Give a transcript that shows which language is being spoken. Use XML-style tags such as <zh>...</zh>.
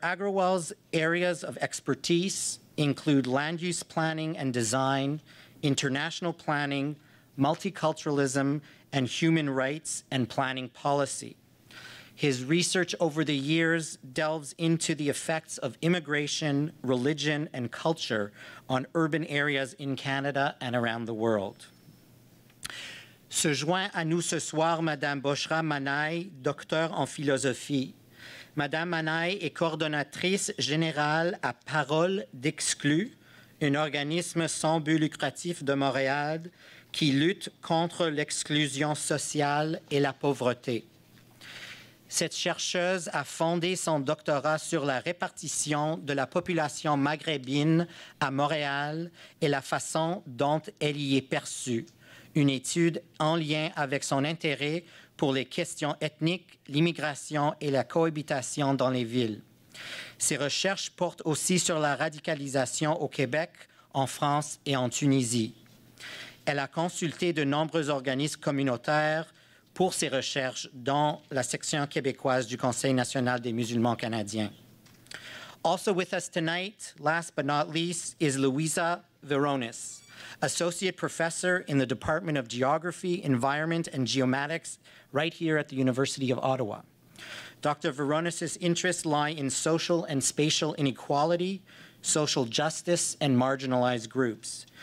<en>Agrawal's areas of expertise include land use planning and design, international planning, multiculturalism, and human rights and planning policy. His research over the years delves into the effects of immigration, religion, and culture on urban areas in Canada and around the world.</en> <fr>Se joint à nous ce soir Madame Boshra Manai, docteur en philosophie. Madame Manai est coordonnatrice générale à Parole d'Exclus, un organisme sans but lucratif de Montréal qui lutte contre l'exclusion sociale et la pauvreté. Cette chercheuse a fondé son doctorat sur la répartition de la population maghrébine à Montréal et la façon dont elle y est perçue, une étude en lien avec son intérêt pour les questions ethniques, l'immigration et la cohabitation dans les villes. Ses recherches portent aussi sur la radicalisation au Québec, en France et en Tunisie. Elle a consulté de nombreux organismes communautaires pour ses recherches dans la section québécoise du Conseil national des musulmans canadiens.</fr> <en>Also with us tonight, last but not least, is Louisa Veronis, Associate Professor in the Department of Geography, Environment, and Geomatics right here at the University of Ottawa. Dr. Veronis's interests lie in social and spatial inequality, social justice, and marginalized groups.</en>